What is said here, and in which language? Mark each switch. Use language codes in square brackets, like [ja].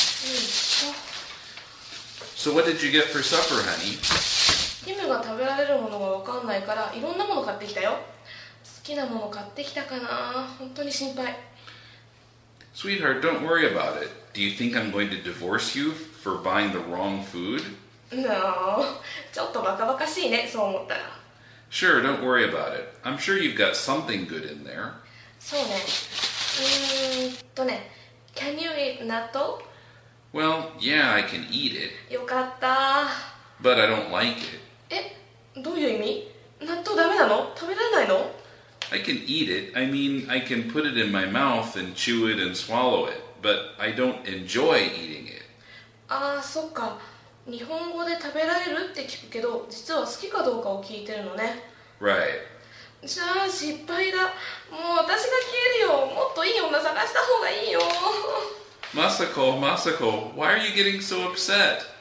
[en] So what did you get for supper, honey? [ja] Tim が食べられるものが分かんないから、いろんなもの買ってきたよ。好きなもの買ってきたかな? 本当に心配。 [en] Sweetheart, don't worry about it. Do you think I'm going to divorce you for buying the wrong food? [ja] No, ちょっとバカバカしいね、そう思ったら。 [en] Sure, don't worry about it. I'm sure you've got something good in there. [ja] そうね。 [en] Can you eat natto? Well, yeah, I can eat it. [ja] よかった。 [en] But I don't like it. [ja] え、どういう意味?納豆ダメなの?食べられないの? [en] I can eat it. I mean, I can put it in my mouth and chew it and swallow it. But I don't enjoy eating it. [ja] ああ、そっか。日本語で食べられるって聞くけど、実は好きかどうかを聞いてるのね。 [en] Right. [ja] じゃあ失敗だ。もう私が消えるよ。もっといい女探した方がいいよ。 [en] Masako, Masako, why are you getting so upset?